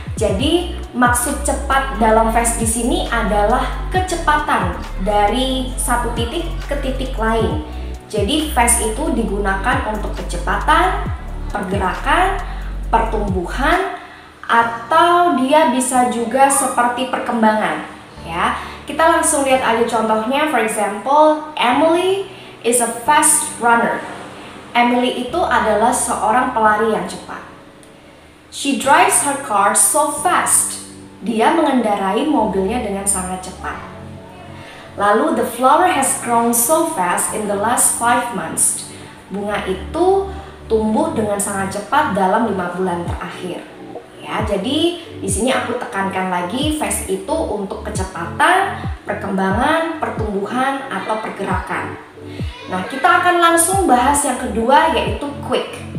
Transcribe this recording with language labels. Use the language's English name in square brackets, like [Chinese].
[Indonesian] Jadi maksud cepat dalam fast di sini adalah kecepatan dari satu titik ke titik lain. Jadi fast itu digunakan untuk kecepatan, pergerakan, pertumbuhan, atau dia bisa juga seperti perkembangan, ya. Kita langsung lihat aja contohnya. [English] For example, Emily is a fast runner. [Indonesian] Emily itu adalah seorang pelari yang cepat. [English] She drives her car so fast. [Indonesian] Dia mengendarai mobilnya dengan sangat cepat. [English] Lalu, the flower has grown so fast in the last 5 months. [Indonesian] Bunga itu tumbuh dengan sangat cepat dalam 5 bulan terakhir. Ya, jadi di sini aku tekankan lagi fast itu untuk kecepatan, perkembangan, pertumbuhan atau pergerakan. Nah, kita akan langsung bahas yang kedua yaitu quick.